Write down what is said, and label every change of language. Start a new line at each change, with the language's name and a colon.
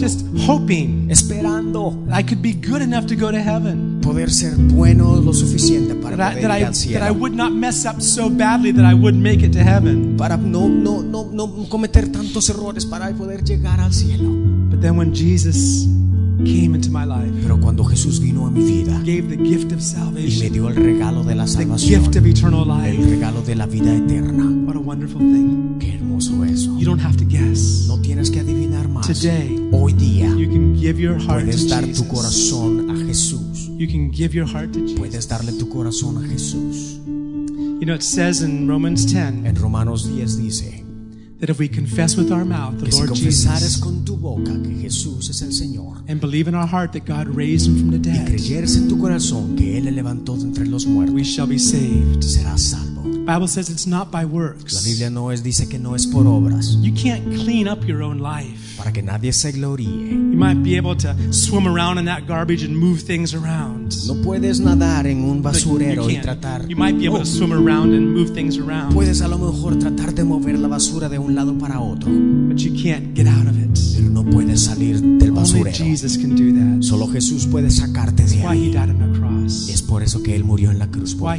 English: Just hoping,
Spanish: esperando.
English: That I could be good enough to go to heaven.
Spanish: Poder ser bueno lo suficiente para
English: that,
Spanish: poder ir al cielo.
English: That I would not mess up so badly that I wouldn't make it to heaven.
Spanish: Para no cometer tantos errores para poder llegar al cielo.
English: But then when Jesus came into my life.
Spanish: Pero cuando Jesús vino a mi vida,
English: gave the gift of salvation.
Spanish: Y me dio el regalo de la salvación.
English: The gift of eternal life.
Spanish: El regalo de la vida eterna.
English: What a wonderful thing.
Spanish: Qué hermoso eso.
English: You don't have to guess.
Spanish: No tienes que adivinar más.
English: Today,
Spanish: hoy día,
English: you can give your heart
Spanish: puedes
English: to
Spanish: dar
English: Jesus.
Spanish: Tu corazón a Jesús.
English: You can give your heart to Jesus.
Spanish: Puedes darle tu corazón a Jesús.
English: You know, it says in Romans 10.
Spanish: En Romanos 10 dice,
English: that if we confess with our mouth the Lord Jesus,
Spanish: con tu boca que Jesús es el Señor,
English: and believe in our heart that God raised him from the dead,
Spanish: y creyeres en tu corazón que él le levantó de entre los muertos,
English: we shall be saved.
Spanish: Serás salvo.
English: The Bible says it's not by works.
Spanish: La Biblia no es, dice que no es por obras.
English: You can't clean up your own life.
Spanish: Para que nadie se gloríe.
English: You might be able to swim around in that garbage and move things around.
Spanish: No puedes nadar en un basurero y tratar.
English: You might be able to swim around and move things around.
Spanish: Puedes a lo mejor tratar de mover la basura de un lado para otro.
English: But you can't get out of it.
Spanish: Pero no puedes salir del basurero.
English: Only Jesus can do that.
Spanish: Solo Jesús puede sacarte de ahí.
English: Why he died on the cross.
Spanish: Es por eso que él murió en la cruz por